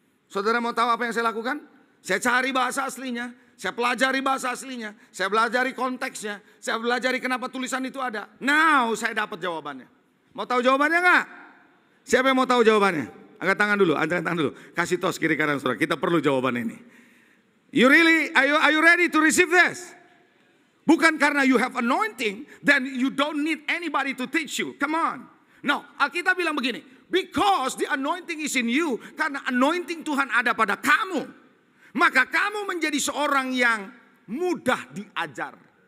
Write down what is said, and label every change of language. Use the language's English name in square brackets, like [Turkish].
[Indonesian] Saudara mau tahu apa yang saya lakukan? Saya cari bahasa aslinya. Saya pelajari bahasa aslinya. Saya belajari konteksnya. Saya belajari kenapa tulisan itu ada. Now saya dapat jawabannya. Mau tahu jawabannya enggak? Siapa yang mau tahu jawabannya? Angkat tangan dulu, angkat tangan dulu. Kasih tos kiri kanan saudara, kita perlu jawaban ini. [English] You really, are you ready to receive this? [Indonesian] Bukan karena [English] you have anointing, then you don't need anybody to teach you. Come on. [Indonesian] No, Alkitab bilang begini. [English] Because the anointing is in you, [Indonesian] karena anointing Tuhan ada pada kamu, maka kamu menjadi seorang yang mudah diajar.